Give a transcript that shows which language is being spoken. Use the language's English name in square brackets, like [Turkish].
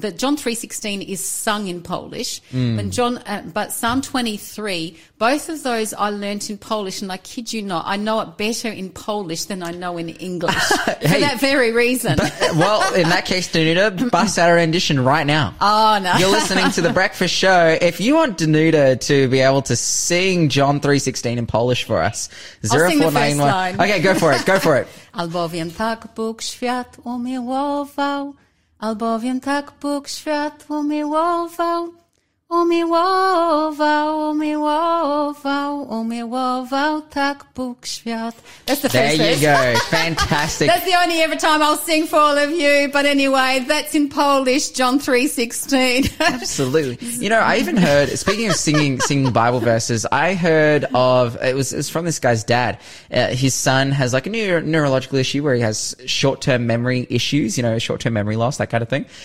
[English] The John 3:16 is sung in Polish. But Psalm 23, both of those I learnt in Polish, and I kid you not, I know it better in Polish than I know in English. Hey, for that very reason. Well, in that case, Danuta, bust out a rendition right now. Oh, no. You're listening to The Breakfast Show. If you want Danuta to be able to sing John 3:16 in Polish for us, 0491. Okay, go for it. [Polish] Albowiem tak Bóg świat umiłował. Albowiem tak Bóg świat umiłował. Umiłował, umiłował, umiłował, tak Bóg świat. [English] That's the first verse. There you go. Fantastic. That's the only ever time I'll sing for all of you. But anyway, that's in Polish, John 3:16. Absolutely. You know, I even heard, speaking of singing Bible verses, I heard of, it was from this guy's dad. His son has like a neurological issue where he has short-term memory issues, you know, short-term memory loss, that kind of thing.